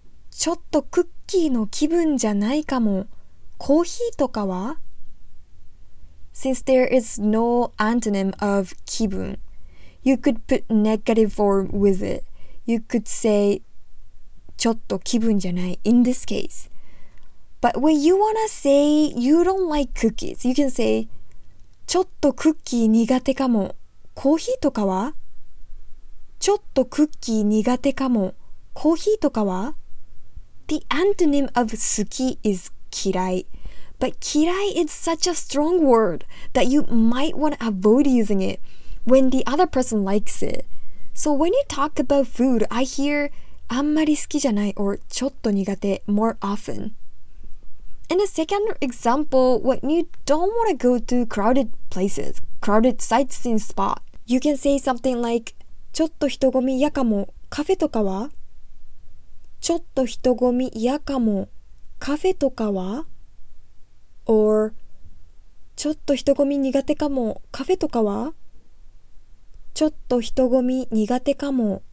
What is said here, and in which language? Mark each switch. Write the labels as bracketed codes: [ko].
[ja] ちょっとクッキーの気分じゃないかも。コーヒーとかは？ [en] Since there is no antonym of 気分, you could put negative form with it. You could say, [ja] ちょっと気分じゃない [en] in this case. But when you wanna say you don't like cookies, you can say [ja] ちょっとクッキー苦手かも。コーヒーとかは？ちょっとクッキー苦手かも。コーヒーとかは？ [en] The antonym of 好き is 嫌い。 But 嫌い is such a strong word that you might wanna avoid using it when the other person likes it. So when you talk about food, I hear [ja] あんまり好きじゃない [en] or [ja] ちょっと苦手 [en] more often. In the second example, when you don't want to go to crowded places, crowded sightseeing spot, you can say something like, [ja] ちょっと人混み嫌かも。カフェとかは？ちょっと人混み嫌かも。カフェとかは？ Or, ちょっと人混み苦手かも。カフェとかは？ちょっと人混み苦手かも。